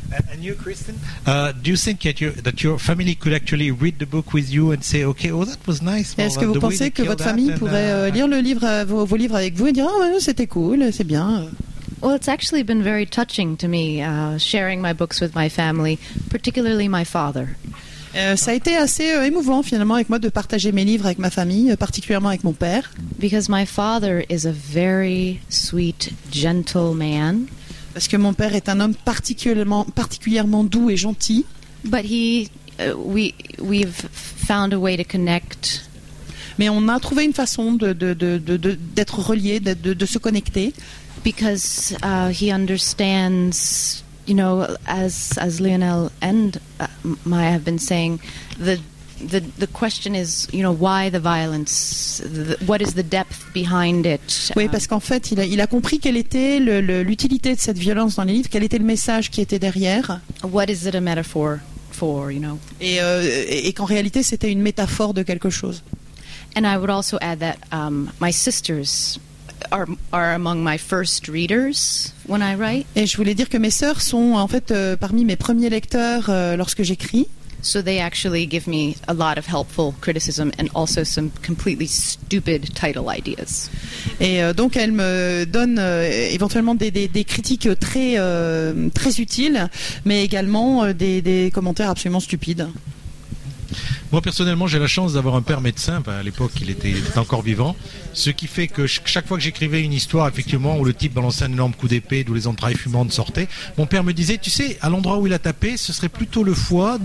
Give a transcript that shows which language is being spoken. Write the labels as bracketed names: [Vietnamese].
[English] And you, Kristen, do you think that your family could actually read the book with you and say, okay, oh, that was nice? [French] Est-ce que vous pensez que votre famille pourrait lire le livre, vos livres avec vous et dire, oh, c'était cool, c'est bien? [English] Well, it's actually been very touching to me, sharing my books with my family, particularly my father. [French] Ça a été assez émouvant finalement avec moi de partager mes livres avec ma famille, particulièrement avec mon père. [English] Because my father is a very sweet, gentle man. [French] Parce que mon père est un homme particulièrement doux et gentil. [English] But we've found a way to connect. [French] Mais on a trouvé une façon d'être relié, de se connecter. [English] Because he understands, you know, as Lionel and Maya have been saying, the question is, you know, why the violence? What is the depth behind it? [French] Oui, parce qu'en fait, il a compris quelle était l'utilité de cette violence dans les livres. Quel était le message qui était derrière? [English] What is it a metaphor for? You know. [French] Et qu'en réalité, c'était une métaphore de quelque chose. [English] And I would also add that my sisters. Are among my first readers when I write. [French] Et je voulais dire que mes sœurs sont en fait parmi mes premiers lecteurs lorsque j'écris. [English] So they actually give me a lot of helpful criticism and also some completely stupid title ideas. [French] Et donc elles me donnent éventuellement des critiques très très utiles, mais également des commentaires absolument stupides. Moi personnellement, j'ai la chance d'avoir un père médecin. Enfin, à l'époque, il était encore vivant. Ce qui fait que chaque fois que j'écrivais une histoire, effectivement, où le type balançait un énorme coup d'épée, d'où les entrailles fumantes sortaient, mon père me disait, tu sais, à l'endroit où il a tapé, ce serait plutôt le foie.